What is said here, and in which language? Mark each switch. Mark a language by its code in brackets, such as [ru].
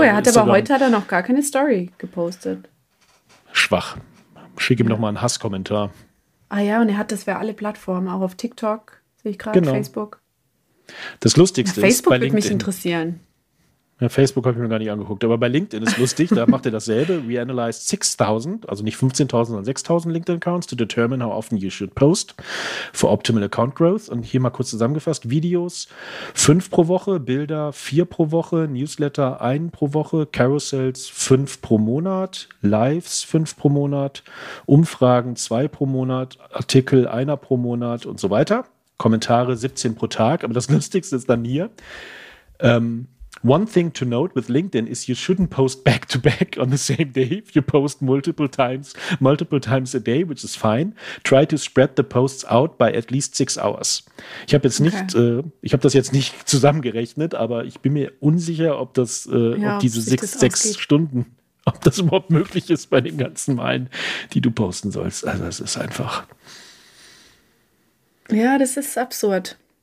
[de] Oh, er hat Instagram. Aber heute hat er noch gar keine Story gepostet. Schwach. Schick ihm noch mal einen Hasskommentar. Ah ja, und er hat das für alle Plattformen, auch auf TikTok, sehe ich gerade, genau. Facebook. Das Lustigste Facebook ist. Facebook würde mich interessieren. Ja, Facebook habe ich mir gar nicht angeguckt, aber bei LinkedIn ist lustig, da macht er dasselbe. [en] We analyzed 6,000, [de] also nicht 15,000, sondern [en] 6,000 LinkedIn-Accounts to determine how often you should post for optimal account growth. [de] Und hier mal kurz zusammengefasst, Videos 5 pro Woche, Bilder 4 pro Woche, Newsletter 1 pro Woche, Carousels 5 pro Monat, Lives 5 pro Monat, Umfragen 2 pro Monat, Artikel 1 pro Monat und so weiter. Kommentare 17 pro Tag, aber das Lustigste ist dann hier, [en] one thing to note with LinkedIn is you shouldn't post back to back on the same day. If you post multiple times a day, which is fine, try to spread the posts out by at least 6 hours. [de] Ich habe jetzt nicht, ich habe das jetzt nicht zusammengerechnet, aber ich bin mir unsicher, ob das, ja, ob diese sechs Stunden, ob das überhaupt möglich ist bei den ganzen Malen, die du posten sollst. Also es ist einfach. Ja, das ist absurd.